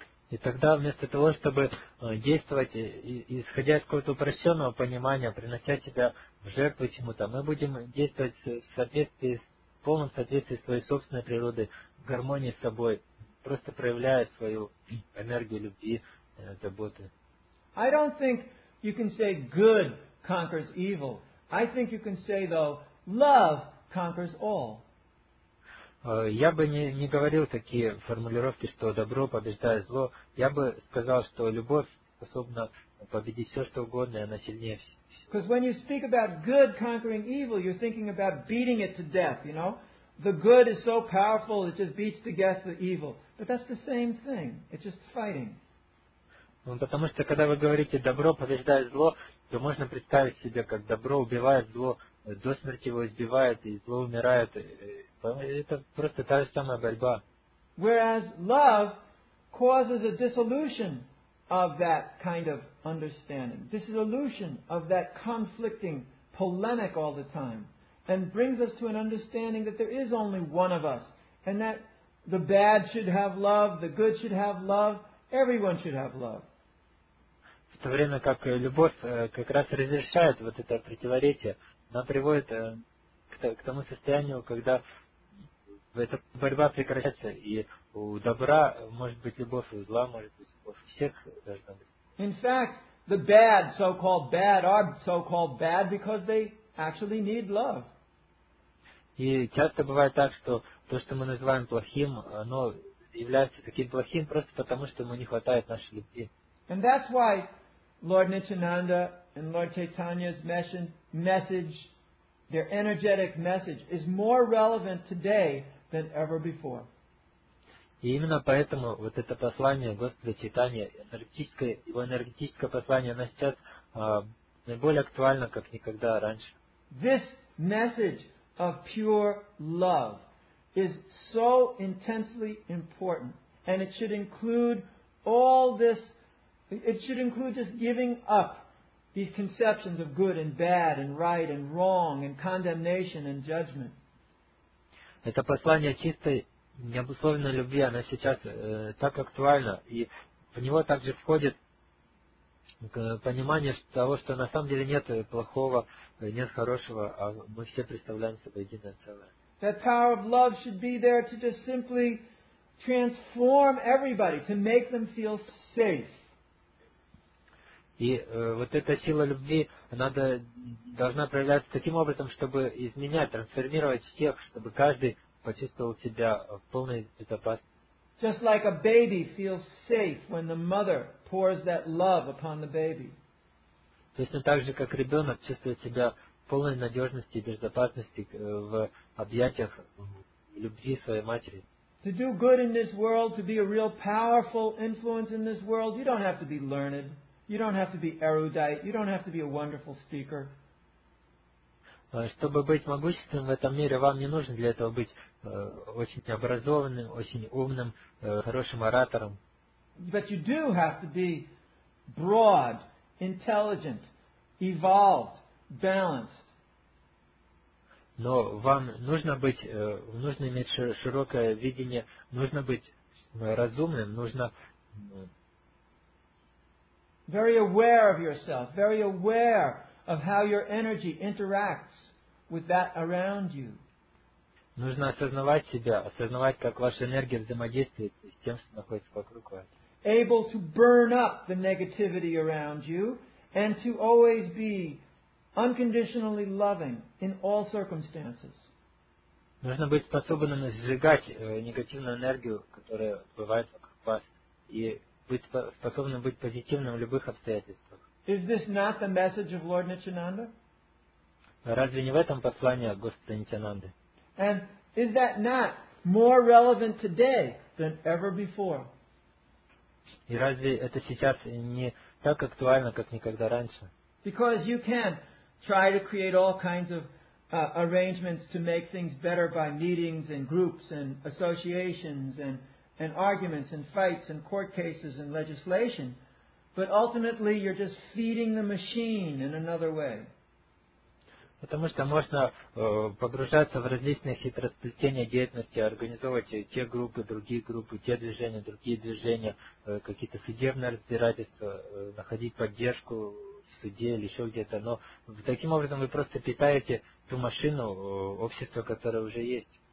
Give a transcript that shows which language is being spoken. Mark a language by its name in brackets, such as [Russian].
[Russian] И тогда вместо того, чтобы действовать, исходя из какого-то упрощенного понимания, принося себя в жертву чему-то, мы будем действовать в соответствии, в полном соответствии с своей собственной природой, в гармонии с собой, просто проявляя свою энергию любви, заботы. [English] I don't think you can say good conquers evil. I think you can say, though, love conquers all. [Russian] Я бы не говорил такие формулировки, что добро побеждает зло. Я бы сказал, что любовь способна победить все, что угодно, и она сильнее всего. [English] Because when you speak about good conquering evil, you're thinking about beating it to death, you know? The good is so powerful, it just beats to death the evil. But that's the same thing. It's just fighting. [Russian] Потому что, когда вы говорите «добро побеждает зло», то можно представить себе, как добро убивает зло, до смерти его избивает, и зло умирает. Это просто та же самая борьба. [English] Whereas love causes a dissolution of that kind of understanding, dissolution of that conflicting polemic all the time, and brings us to an understanding that there is only one of us, and that the bad should have love, the good should have love, everyone should have love. [Russian] В то время как любовь как раз разрешает вот это противоречие, она приводит к тому состоянию, когда эта борьба прекращается, и у добра может быть любовь, и у зла может быть любовь. У всех должна быть. [English] In fact, the bad, so-called bad, are so-called bad because they actually need love. [Russian] И часто бывает так, что то, что мы называем плохим, оно является таким плохим просто потому, что ему не хватает нашей любви. [English] And that's why Lord Nityananda and Lord Chaitanya's message, their energetic message, is more relevant today than ever before. [Russian] И именно поэтому вот это послание Господа Чайтанья, его энергетическое послание, оно сейчас наиболее актуально, как никогда раньше. [English] This message of pure love is so intensely important, and it should include all this. It should include just giving up these conceptions of good and bad and right and wrong and condemnation and judgment. [Russian] Это послание чистой, необусловленной любви, оно сейчас так актуально, и в него также входит понимание того, что на самом деле нет плохого, нет хорошего, а мы все представляем собой единое целое. [English] That power of love should be there to just simply transform everybody, to make them feel safe. [Russian] И вот эта сила любви, она должна проявляться таким образом, чтобы изменять, трансформировать всех, чтобы каждый почувствовал себя в полной безопасности. [English] Just like a baby feels safe when the mother pours that love upon the baby. [Russian] Точно так же, как ребенок чувствует себя в полной надежности и безопасности в объятиях любви своей матери. [English] To do good in this world, to be a real powerful influence in this world, you don't have to be learned. You don't have to be erudite. You don't have to be a wonderful speaker. [Russian] Чтобы быть могущественным в этом мире, вам не нужно для этого быть очень образованным, очень умным, хорошим оратором. [English] But you do have to be broad, intelligent, evolved, balanced. [Russian] Но вам нужно быть, нужно иметь широкое видение, нужно быть разумным, нужно [English] very aware of yourself, very aware of how your energy interacts with that around you. [Russian] Нужно осознавать себя, осознавать, как ваша энергия взаимодействует с тем, что находится вокруг вас. [English] Able to burn up the negativity around you and to always be unconditionally loving in all circumstances. [Russian] Нужно быть способным сжигать негативную энергию, которая бывает вокруг вас, и быть способным быть позитивным в любых обстоятельствах. [English] Is this not the message of Lord Nityananda? [Russian] Разве не в этом послание Господа Нитянанды? [English] And is that not more relevant today than ever before? [Russian] И разве это сейчас не так актуально, как никогда раньше? [English] Because you can try to create all kinds of arrangements to make things better by meetings and groups and associations and arguments and fights and court cases and legislation, But ultimately, you're just feeding the machine in another way. [Russian] Потому что можно погружаться в различные хитросплетения деятельности, организовывать те группы, другие группы, те движения, другие движения, какие-то судебные разбирательства, находить поддержку в суде или еще где-то. Но таким образом вы просто питаете ту машину, общество, которое уже есть.